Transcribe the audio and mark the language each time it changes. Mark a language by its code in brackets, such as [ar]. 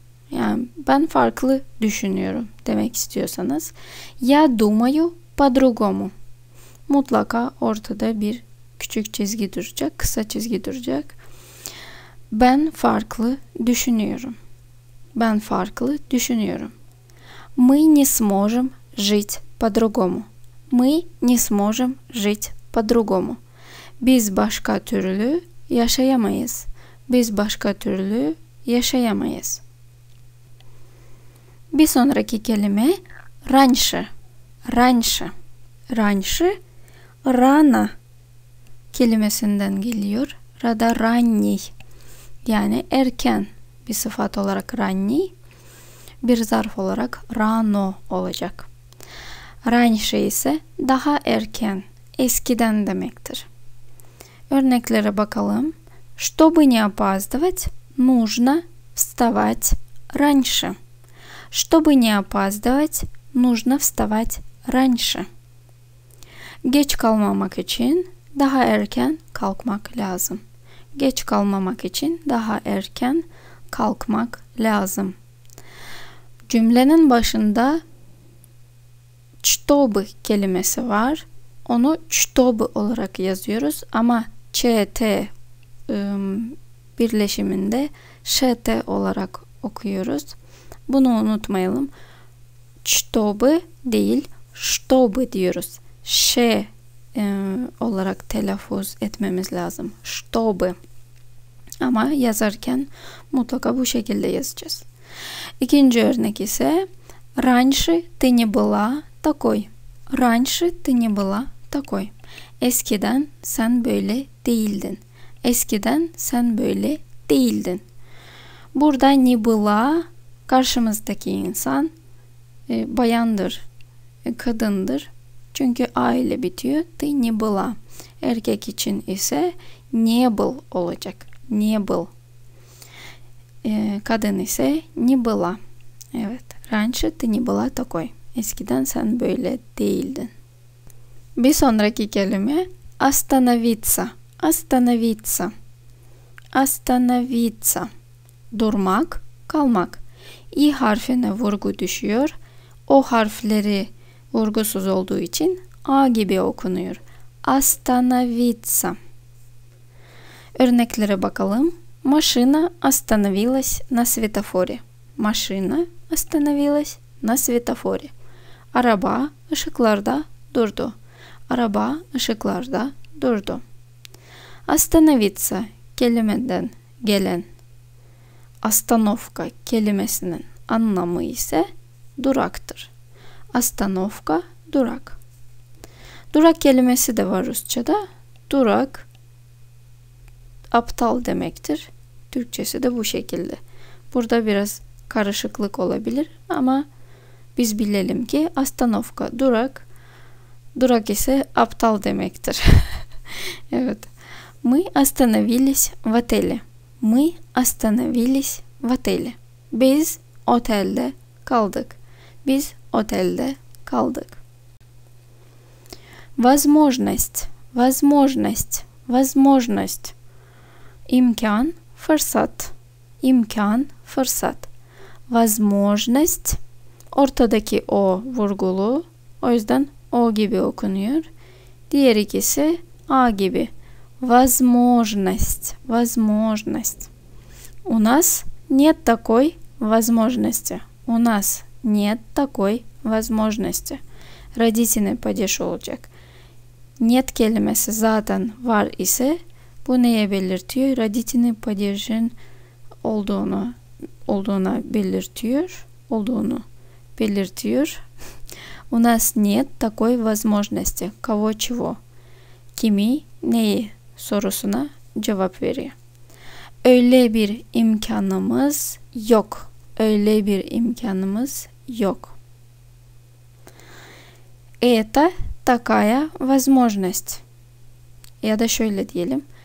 [tr] Yani ben farklı düşünüyorum demek istiyorsanız. [ru] Я думаю по-другому. [tr] Mutlaka ortada bir küçük çizgi duracak, kısa çizgi duracak. Ben farklı düşünüyorum. Ben farklı düşünüyorum. [ru] Мы не сможем жить по-другому. Мы не сможем жить по-другому. [tr] Biz başka türlü yaşayamayız. Biz başka türlü yaşayamayız. Bir sonraki kelime [ru] раньше. Раньше. Раньше рано [tr] kelimesinden geliyor. Rada ранний. Yani erken bir sıfat olarak ранний. Bir zarf olarak рано olacak. Раньше ise daha erken, eskiden demektir. Örneklere bakalım. [ru] Чтобы не опаздывать, нужно вставать раньше. Чтобы не опаздывать, нужно вставать раньше. [tr] Geç kalmamak için daha erken kalkmak lazım. Geç kalmamak için daha erken kalkmak lazım. Cümlenin başında чтобы kelimesi var. Onu чтобы olarak yazıyoruz ama ЧТ birleşiminde ШТ olarak okuyoruz. Bunu unutmayalım. Чтобы değil, чтобы diyoruz. Ш olarak telaffuz etmemiz lazım. [ru] Чтобы. [tr] Ama yazarken mutlaka bu şekilde yazacağız. İkinci örnek ise [ru] раньше ты не была такой. Раньше ты не была такой. [tr] Eskiden sen böyle değildin. Eskiden sen böyle değildin. Burada [ru] не была [tr] karşımızdaki insan bayandır, kadındır. Çünkü a ile bitiyor. [ru] Ты не была. [tr] Erkek için ise [ru] не был [tr] olacak. [ru] Не был. [tr] Kadın ise не была. Evet. [ru] Раньше ты не была такой. [tr] Eskiden sen böyle değildin. Bir sonraki kelime остановиться. [ru] Остановиться. Остановиться. [tr] Durmak, kalmak. İ harfine vurgu düşüyor. O harfleri vurgusuz olduğu için A gibi okunuyor. Остановиться. Örneklere bakalım. [ru] Машина остановилась на светофоре. Машина остановилась на светофоре. [tr] Araba ışıklarda durdu. Araba ışıklarda durdu. Остановиться kelimeden gelen остановка kelimesinin anlamı ise duraktır. Остановка durak. Durak kelimesi de var Rusça'da. Durak aptal demektir. Türkçesi de bu şekilde. Burada biraz karışıklık olabilir ama biz bilelim ki остановка durak, durak ise aptal demektir. Evet. [ru] Мы остановились в отеле. Мы остановились в отеле. [tr] Biz otelde kaldık. Biz otelde kaldık. [ru] Возможность. Возможность. Возможность. [tr] İmkan, fırsat. İmkan, fırsat. Возможность. Ortadaki o vurgulu. O yüzden o gibi okunuyor. Diğer ikisi a gibi. Возможность. [ru] Возможность. У нас нет такой возможности. У нас нет такой возможности. Родительный падеж [tr] olacak. Нет kelimesi zaten var ise bu neye belirtiyor? [ru] Родительный падежин [tr] olduğuna belirtiyor. Olduğunu belirtiyor. [ru] У нас нет такой возможности. Кого чего? [tr] Kimi, neyi? Sorusuna cevap veriyor. Öyle bir imkanımız yok. Öyle bir imkanımız yok. [ru] Это такая возможность. [tr] Ya da şöyle diyelim.